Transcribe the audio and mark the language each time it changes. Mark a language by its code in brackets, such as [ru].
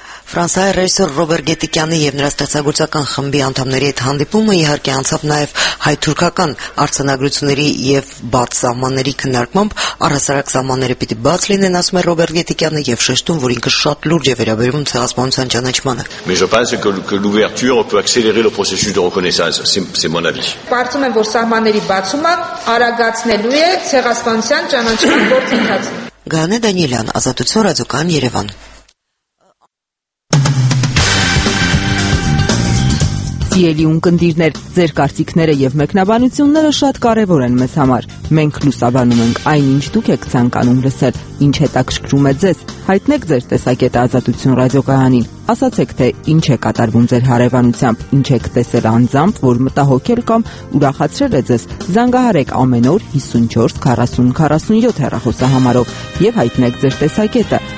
[hy] Ֆրանսիայի ռեժիսոր Ռոբերտ Գետիկյանի եւ նրա ստեղծագործական խմբի անդամների հետ հանդիպումը իհարկե անցավ նաեւ հայ-թուրքական արձանագրությունների եւ բաց սահմանների քննարկմամբ, առհասարակ սահմանները պիտի բաց լինեն, ասում է Ռոբերտ Գետիկյանը եւ շեշտում, որ ինքը շատ լուրջ է վերաբերվում ցեղասպանության ճանաչմանը. [fr] Mais je pense que l'ouverture peut accélérer le processus de reconnaissance, c'est mon avis. [hy] Պարզում եմ, որ սահմանների բացումը արագացնելու է ցեղասպանության ճանաչման գործընթացը։ Գանե Դանիելյան, Ազատություն ռադիոկայան, Երևան։ Սիրելի ունկնդիրներ, ձեր կարծիքները եւ մեկնաբանությունները շատ կարեւոր են մեզ համար։ Մենք լուսաբանում ենք այն, ինչ դուք եք ցանկանում լսել, ինչ հետաքրքրում է ձեզ։ Հայտնեք ձեր տեսակետը Ազատություն ռադիոկայանին։ Ասացեք, թե ինչ է կատարվում ձեր հարևանությամբ, ինչ եք տեսել անձամբ, որ մտահոգել կամ ուրախացրել է ձեզ։ Զանգահարեք ամեն օր 54 40 47 հեռախոսահամարով եւ հայտնեք ձեր տեսակետը